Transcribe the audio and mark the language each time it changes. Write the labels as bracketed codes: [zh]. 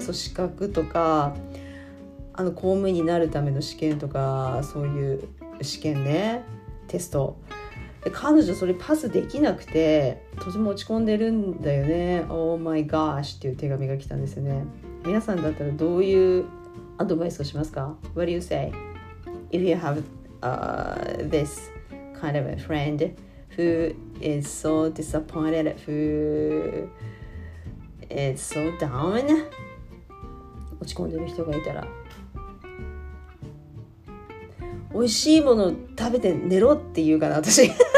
[ja] そう、資格とか公務員になるための試験とか、そういう試験ね、テスト。で彼女それパスできなくてとても落ち込んでるんだよね。 [en] Oh my gosh [ja] っていう手紙が来たんですよね。皆さんだったらどういうアドバイスをしますか？ [en] What do you say if you have this kind of a friend who is so disappointed, who is so down? [ja] 落ち込んでる人がいたら、美味しいもの食べて寝ろって言うかな、私。